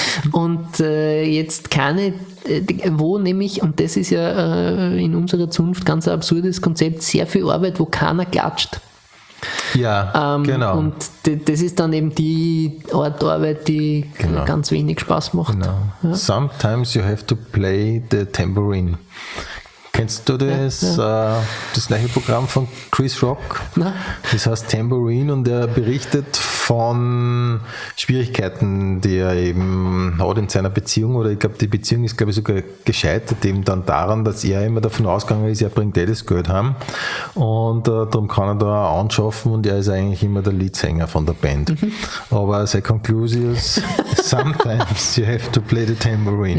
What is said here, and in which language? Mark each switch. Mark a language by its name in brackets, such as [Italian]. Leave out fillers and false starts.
[German] Und jetzt keine, wo nämlich, und das ist ja in unserer Zunft ganz ein absurdes Konzept, sehr viel Arbeit, wo keiner klatscht. Ja, genau. Und das ist dann eben die Art Arbeit, die ganz wenig Spaß macht. Genau. Ja? [English] Sometimes you have to play the tambourine. [German] Kennst du das? Ja, ja. Das gleiche Programm von Chris Rock? Nein. Das heißt Tambourine und er berichtet von Schwierigkeiten, die er eben hat in seiner Beziehung, oder ich glaube, die Beziehung ist, glaube ich, sogar gescheitert eben dann daran, dass er immer davon ausgegangen ist, er bringt eh das Geld heim und darum kann er da auch anschaffen und er ist eigentlich immer der Leadsänger von der Band. Mhm. Aber seine Conclusion ist, [English] sometimes you have to play the tambourine.